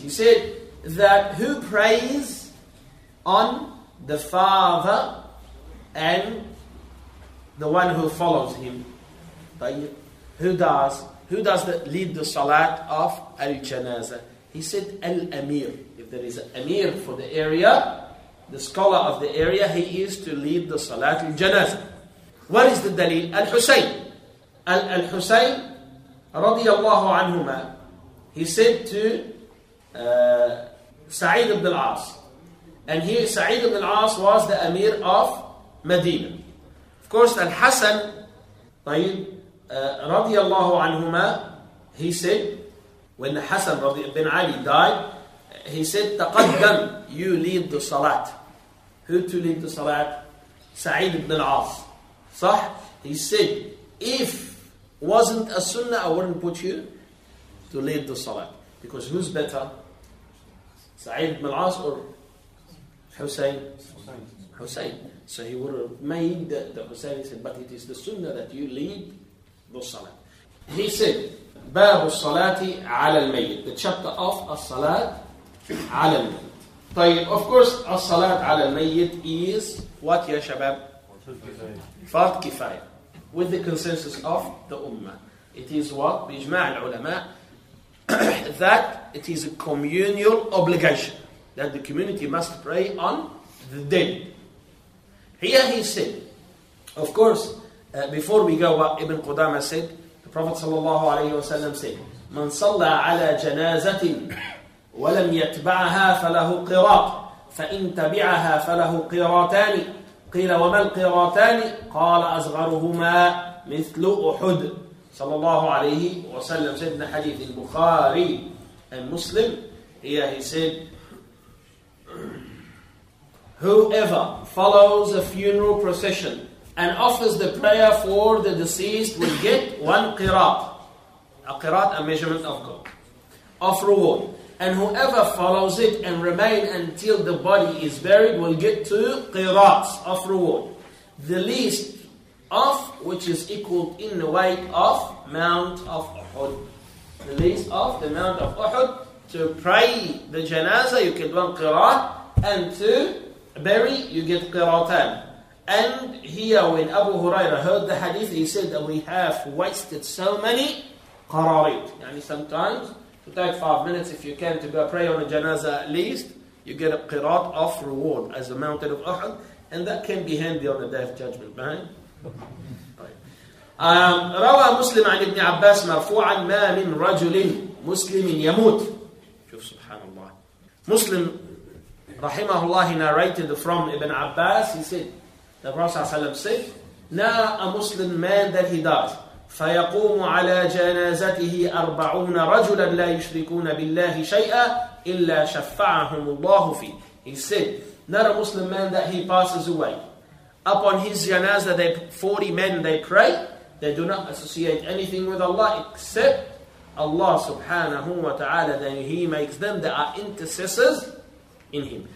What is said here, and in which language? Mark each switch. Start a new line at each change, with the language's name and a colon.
English: He said that who prays on the father and the one who follows him, who does the lead the salat of al-janaza? He said al-amir. If there is an amir for the area, the scholar of the area, he is to lead the salat al-janaza. What is the dalil? Al-Husayn. Al-Husayn رضي الله عنهما. He said to Sa'id ibn al-As. And here Sa'id ibn al-As was the Amir of Medina. Of course, Al-Hasan, رضي الله عنهما, he said, when Hasan ibn Ali died, he said,
Arabic: تقدم,
English: you lead the Salat. Who to lead the Salat? Sa'id ibn al-As. صح? He said, if wasn't a sunnah, I wouldn't put you to lead the salat. Because who's better? Sa'id ibn al-As or Hussein? Hussein. So he would have made the Hussein. He said, but it is the sunnah that you lead the salat. He said,
Arabic: باب الصلاة على الميت.
English: The chapter of
Arabic: الصلاة على الميت.
English: Of course,
Arabic: الصلاة على الميت
English: is what, ya shabab? Fard kifaya. With the consensus of the Ummah. It is what?
Arabic: بإجماع العلماء.
English: That it is a communal obligation. That the community must pray on the dead. Here he said, of course, before we go, what Ibn Qudama said, the Prophet ﷺ said,
Arabic: من صلى على جنازة ولم يتبعها فله قراط فإن تبعها فله قراطان. قيل وما القراطان؟ قال أصغرهما مثل أحد. صلى الله عليه وسلم. سيدنا حديث البخاري المسلم.
English: Here he said, whoever follows a funeral procession and offers the prayer for the deceased will get one qirat. A qirat, a measurement of gold. Of reward. And whoever follows it and remain until the body is buried will get two qirats of reward. The least of which is equaled in the weight of Mount of Uhud. The least of the Mount of Uhud. To pray the janazah you get one qirat. And to bury you get qiratan. And here when Abu Huraira heard the hadith, he said that we have wasted so many qararit. Yani sometimes to take 5 minutes, if you can, to go pray on a janazah at least, you get a qirat of reward as a mountain of Uhud, And that can be handy on the Day of Judgment, right?
Arabic: روى مسلم عن ابن عباس مرفوعا ما من رجل مسلم يموت. شوف سبحان الله.
English: مسلم رحمه الله narrated from Ibn Abbas. He said, the Prophet ﷺ said, now a Muslim man that he dies,
Arabic: فيقوم على جنازته أربعون رجلا لا يشركون بالله شيئا إلا شفعهم الله فيه.
English: He said, not a Muslim man that he passes away. Upon his janazah, they 40 men, they pray. They do not associate anything with Allah except Allah subhanahu wa ta'ala. Then he makes them, they are intercessors in him.